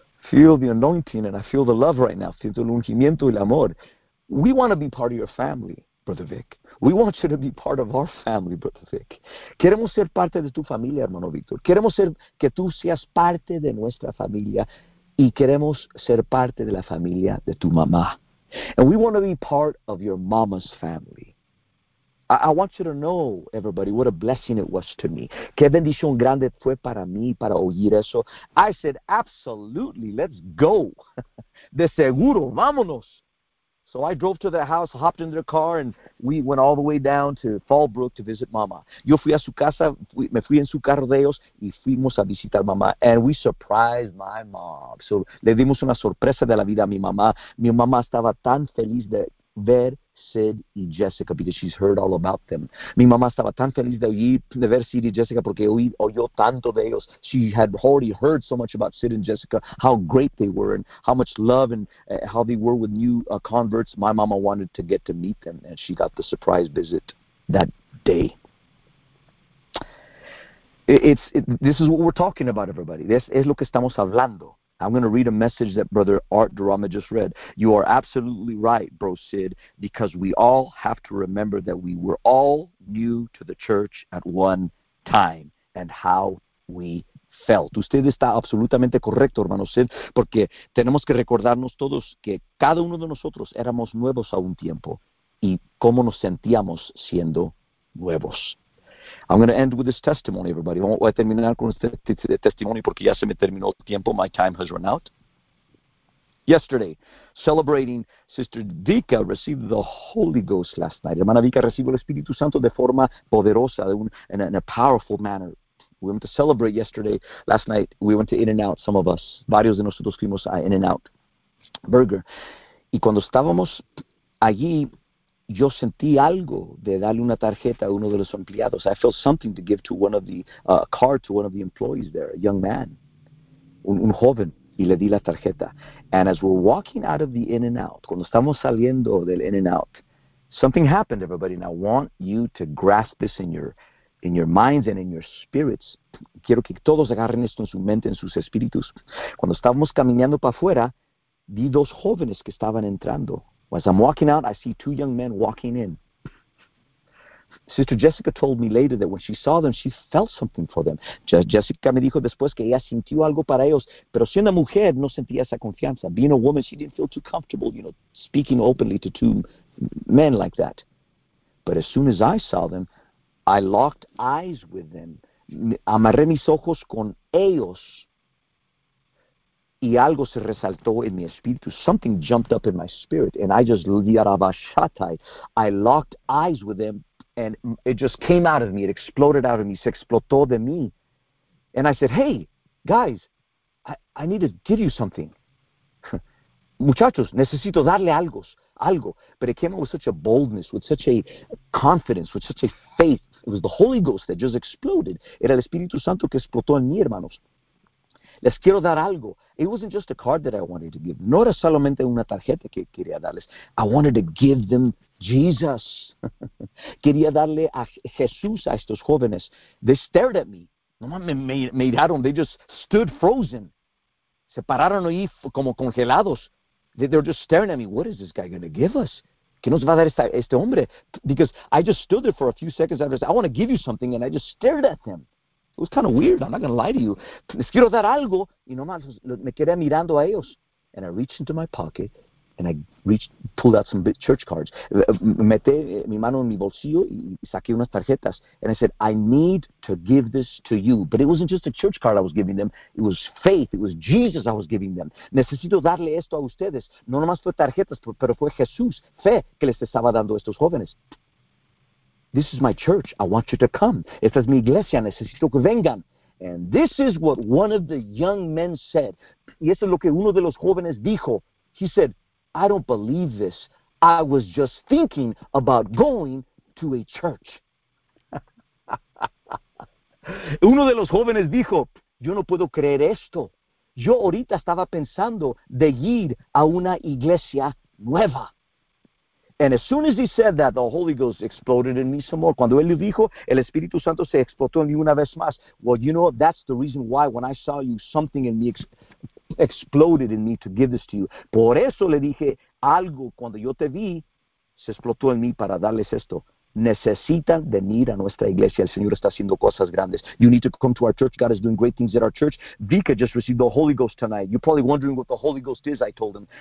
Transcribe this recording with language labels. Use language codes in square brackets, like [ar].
[en] Feel the anointing and I feel the love right now. [es] Siento el ungimiento y el amor. [en] We want to be part of your family, Brother Vic. We want you to be part of our family, Brother Vic. [es] Queremos ser parte de tu familia, hermano Víctor. Queremos ser que tú seas parte de nuestra familia y queremos ser parte de la familia de tu mamá. [en] And we want to be part of your mama's family. I want you to know, everybody, what a blessing it was to me. [es] Qué bendición grande fue para mí para oír eso. [en] I said, absolutely, let's go. [es] De seguro, vámonos. [en] So I drove to their house, hopped in their car, and we went all the way down to Fallbrook to visit mama. [es] Yo fui a su casa, me fui en su carro de ellos, y fuimos a visitar mamá. [en] And we surprised my mom. [es] So le dimos una sorpresa de la vida a mi mamá. Mi mamá estaba tan feliz de ver [en] Sid y Jessica, because she's heard all about them. [es] Mi mamá estaba tan feliz de oír, de ver Sid y Jessica, porque oyó tanto de ellos. [en] She had already heard so much about Sid and Jessica, how great they were, and how much love, and how they were with new converts. My mama wanted to get to meet them, and she got the surprise visit that day. This is what we're talking about, everybody. This [es] es lo que estamos hablando. [en] I'm going to read a message that Brother Art Durama just read. You are absolutely right, Bro Sid, because we all have to remember that we were all new to the church at one time and how we felt. [es] Usted está absolutamente correcto, hermano Sid, porque tenemos que recordarnos todos que cada uno de nosotros éramos nuevos a un tiempo y cómo nos sentíamos siendo nuevos. [en] I'm going to end with this testimony, everybody. [es] Voy a terminar con este testimonio porque ya se me terminó el tiempo. [en] My time has run out. Yesterday, celebrating, Sister Vika received the Holy Ghost last night. [es] Hermana Vika recibió el Espíritu Santo de forma poderosa, [en] in a powerful manner. We went to celebrate yesterday. Last night, we went to In-N-Out, some of us. [es] Varios de nosotros fuimos a In-N-Out Burger. Y cuando estábamos allí, yo sentí algo de darle una tarjeta a uno de los empleados. [en] I felt something to give to one of the card to one of the employees there, a young man, [es] un joven, y le di la tarjeta. [en] And as we're walking out of the In-N-Out, [es] cuando estamos saliendo del In-N-Out, [en] something happened, everybody, and I want you to grasp this in your minds and in your spirits. [es] Quiero que todos agarren esto en su mente, en sus espíritus. Cuando estábamos caminando para afuera, vi dos jóvenes que estaban entrando. [en] As I'm walking out, I see two young men walking in. Sister Jessica told me later that when she saw them, she felt something for them. [es] Jessica me dijo después que ella sintió algo para ellos, pero siendo mujer, no sentía esa confianza. [en] Being a woman, she didn't feel too comfortable, you know, speaking openly to two men like that. But as soon as I saw them, I locked eyes with them. [es] Amarré mis ojos con ellos. Y algo se resaltó en mi espíritu. [en] Something jumped up in my spirit. And I just liarabashatai. I locked eyes with them. And it just came out of me. It exploded out of me. [es] Se explotó de mí. [en] And I said, hey, guys, I need to give you something. [es] Muchachos, necesito darle algo. Algo. [en] But it came out with such a boldness, with such a confidence, with such a faith. It was the Holy Ghost that just exploded. [es] Era el Espíritu Santo que explotó en mí, hermanos. Les quiero dar algo. [en] It wasn't just a card that I wanted to give. [es] No era solamente una tarjeta que quería darles. [en] I wanted to give them Jesus. [es] Quería darle a Jesús a estos jóvenes. [en] They stared at me. [es] No mames, me miraron. [en] They just stood frozen. [es] Se pararon ahí como congelados. [en] They were just staring at me. What is this guy going to give us? [es] ¿Qué nos va a dar este hombre? [en] Because I just stood there for a few seconds. I said, I want to give you something. And I just stared at them. It was kind of weird. I'm not going to lie to you. [es] Les quiero dar algo. Y nomás me quedé mirando a ellos. [en] And I reached into my pocket, and pulled out some church cards. [es] Meté mi mano en mi bolsillo y saqué unas tarjetas. [en] And I said, I need to give this to you. But it wasn't just a church card I was giving them. It was faith. It was Jesus I was giving them. [es] Necesito darle esto a ustedes. No nomás fue tarjetas, pero fue Jesús, fe, que les estaba dando a estos jóvenes. [en] This is my church. I want you to come. [es] Esta es mi iglesia. Necesito que vengan. [en] And this is what one of the young men said. [es] Y eso es lo que uno de los jóvenes dijo. [en] He said, I don't believe this. I was just thinking about going to a church. [es] Uno de los jóvenes dijo, yo no puedo creer esto. Yo ahorita estaba pensando de ir a una iglesia nueva. [en] And as soon as he said that, the Holy Ghost exploded in me some more. [es] Cuando él lo dijo, el Espíritu Santo se explotó en mí una vez más. [en] Well, you know, that's the reason why when I saw you, something in me exploded in me to give this to you. [es] Por eso le dije, algo cuando yo te vi, se explotó en mí para darles esto. Necesitan venir a nuestra iglesia. El Señor está haciendo cosas grandes. [en] You need to come to our church. God is doing great things at our church. Vika just received the Holy Ghost tonight. You're probably wondering what the Holy Ghost is, I told him.